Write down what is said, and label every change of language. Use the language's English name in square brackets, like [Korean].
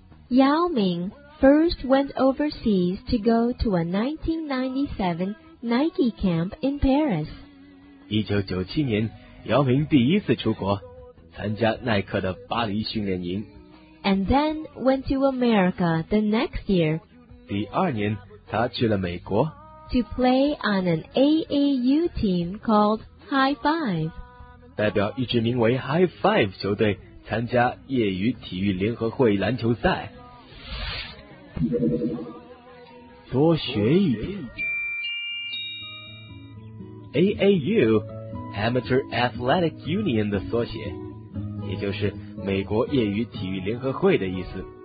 [English] 姚明first went overseas to go to a 1997 Nike camp in Paris. [Chinese] 1997年，姚明第一次出国，参加耐克的巴黎训练营。 [English] And then went to America the next year. [Chinese] 第二年，他去了美国。 [English] To play on an AAU team called High Five. [Chinese] 代表一支名为 High Five 球队参加业余体育联合会篮球赛。多学一点。 AAU Amateur Athletic Union 的缩写，也就是美国业余体育联合会的意思。